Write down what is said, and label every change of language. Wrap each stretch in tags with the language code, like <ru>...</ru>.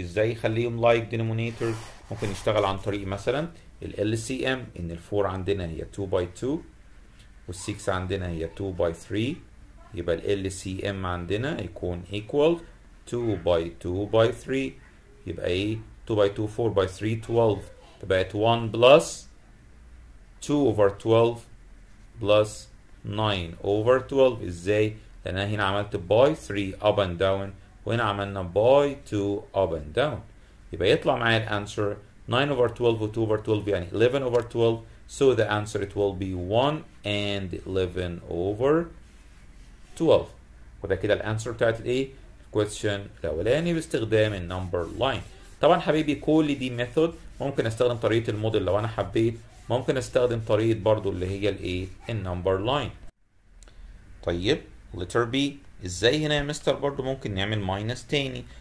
<ar>ازاي يخليهم</ar> <en>like denominators؟</en> <ar>ممكن يشتغل عن طريق مثلا ال LCM، ان ال 4 عندنا هي</ar> <en>2 by 2</en> <ar>وال 6 عندنا هي</ar> <en>2 by 3،</en> <ar>يبقى ال LCM عندنا يكون</ar> <en>equal 2 by 2 by 3،</en> <ar>يبقى ايه</ar> <en>2 by 2 4 by 3 12،</en> <ar>تبقت</ar> <en>1 plus 2 over 12</en> <ar>plus 9 over 12. ازاي؟ لان انا هنا عملت</ar> <en>by 3 up and down</en> <ar>وهنا عملنا</ar> <en>by 2 up and down،</en> <ar>يبقى يطلع معايا الانسر</ar> <en>9 over 12</en> <ar>و</ar> <en>2 over 12</en> <ar>يعني</ar> <en>11 over 12. So the answer it will be 1 and 11 over 12.</en> <ar>وده كده الانسر بتاعت الايه؟ الكويستشن الاولاني باستخدام النمبر لاين. طبعا حبيبي كل دي ميثود، ممكن استخدم طريقه الموديل لو انا حبيت، ممكن استخدم طريقه برضو اللي هي الايه؟ النمبر لاين. طيب</ar> <en>letter B</en> <ar>ازاي هنا يا مستر؟ برضو ممكن نعمل ماينس تاني.</ar>